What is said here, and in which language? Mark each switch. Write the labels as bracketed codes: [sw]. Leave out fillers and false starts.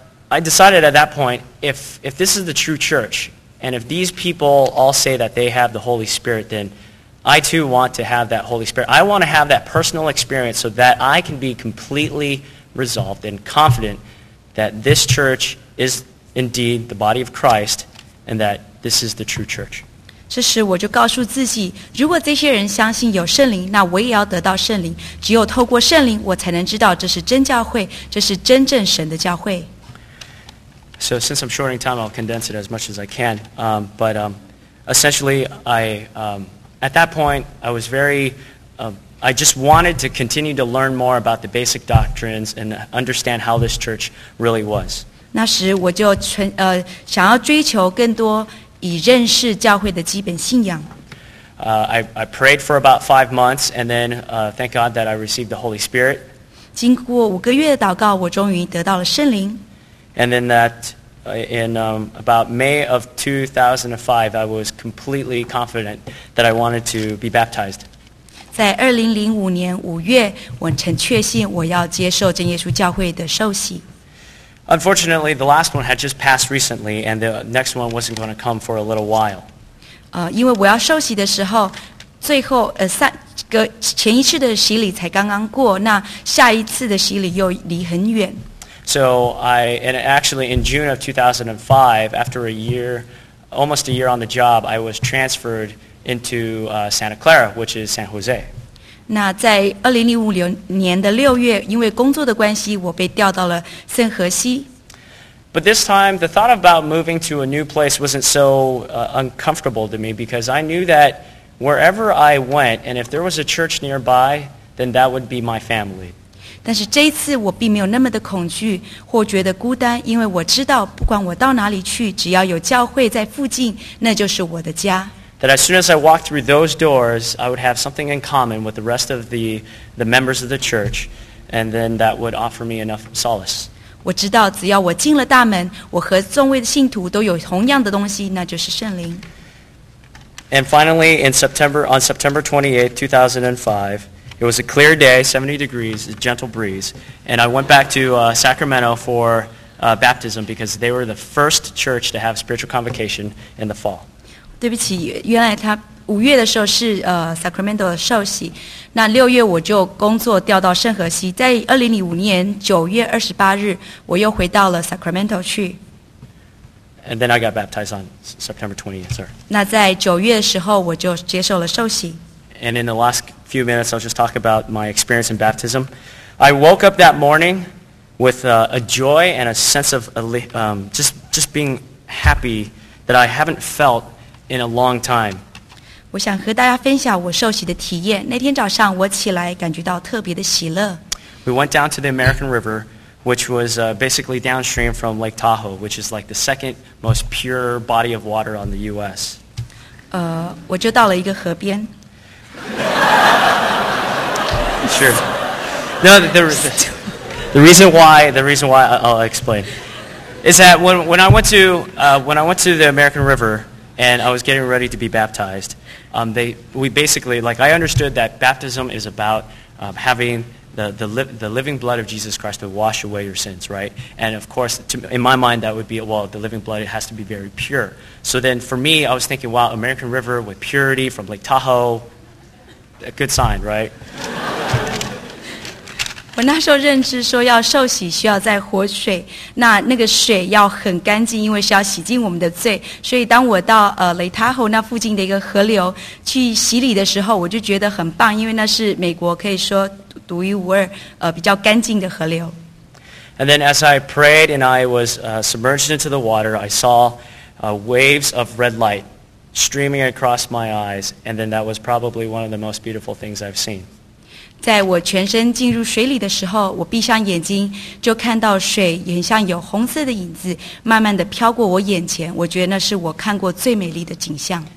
[en] I decided at that point, if this is the true church, and if these people all say that they have the Holy Spirit, then I too want to have that Holy Spirit. I want to have that personal experience so that I can be completely resolved and confident that this church is indeed the body of Christ and that this is the true church. [zh] 这时我就告诉自己，如果这些人相信有圣灵，那我也要得到圣灵。只有透过圣灵，我才能知道这是真教会，这是真正神的教会。 [en] So since I'm shorting time, I'll condense it as much as I can. Essentially, at that point, I was very, I just wanted to continue to learn more about the basic doctrines and understand how this church really was. [zh] 那时我就想要追求更多以认识教会的基本信仰。 [en] I prayed for about 5 months, and then thank God that I received the Holy Spirit. [zh] 经过五个月的祷告，我终于得到了圣灵。 [en] And then that in about May of 2005, I was completely confident that I wanted to be baptized. [zh] 在2005年五月，我曾确信我要接受真耶稣教会的受洗。 [en] Unfortunately, the last one had just passed recently, and the next one wasn't going to come for a little while. [zh] 因为我要受洗的时候，最后前一次的洗礼才刚刚过，那下一次的洗礼又离很远。 [en] So in June of 2005, after a year, almost a year on the job, I was transferred into Santa Clara, which is San Jose. [zh] 那在2005年的六月，因为工作的关系，我被调到了圣何西。 [en] But this time, the thought about moving to a new place wasn't so uncomfortable to me because I knew that wherever I went, and if there was a church nearby, then that would be my family. [zh] 但是这一次我并没有那么的恐惧或觉得孤单，因为我知道不管我到哪里去，只要有教会在附近，那就是我的家。 [en] That as soon as I walked through those doors, I would have something in common with the rest of the members of the church, and then that would offer me enough solace. [zh] 我知道只要我进了大门，我和众位的信徒都有同样的东西，那就是圣灵。 [en] And finally, on September 28th, 2005,It was a clear day, 70 degrees, a gentle breeze, and I went back to Sacramento for baptism because they were the first church to have spiritual convocation in the fall. [zh] 对不起，原来他五月的时候是Sacramento 的受洗，那六月我就工作调到圣何西，在2005年9月28日，我又回到了 Sacramento 去。 [en] And then I got baptized on September 20th, sir. [zh] 那在九月的时候我就接受了受洗。 [en] And in the last few minutes, I'll just talk about my experience in baptism. I woke up that morning with a joy and a sense of just being happy that I haven't felt in a long time. [zh] 我想和大家分享我受洗的体验。那天早上我起来感觉到特别的喜乐。 [en] We went down to the American River, which was basically downstream from Lake Tahoe, which is like the second most pure body of water on the U.S. [zh] 我就到了一个河边。 [en] Sure. No, the reason why I'll explain is that when I went to the American River and I was getting ready to be baptized, I understood that baptism is about having the living blood of Jesus Christ to wash away your sins, right? And of course, in my mind, that would be, well, the living blood, it has to be very pure. So then for me, I was thinking, wow, American River with purity from Lake Tahoe, a good sign, right? [zh] 我那时候认知说要受洗需要在活水，那那个水要很干净，因为是要洗净我们的罪。所以当我到雷塔后那附近的一个河流去洗礼的时候，我就觉得很棒，因为那是美国可以说独一无二比较干净的河流。 [en] And then as I prayed and I was submerged into the water, I saw waves of red light streaming across my eyes, and then that was probably one of the most beautiful things I've seen. [zh] 在我全身进入水里的时候，我闭上眼睛就看到水很像有红色的影子慢慢地飘过我眼前，我觉得那是我看过最美丽的景象。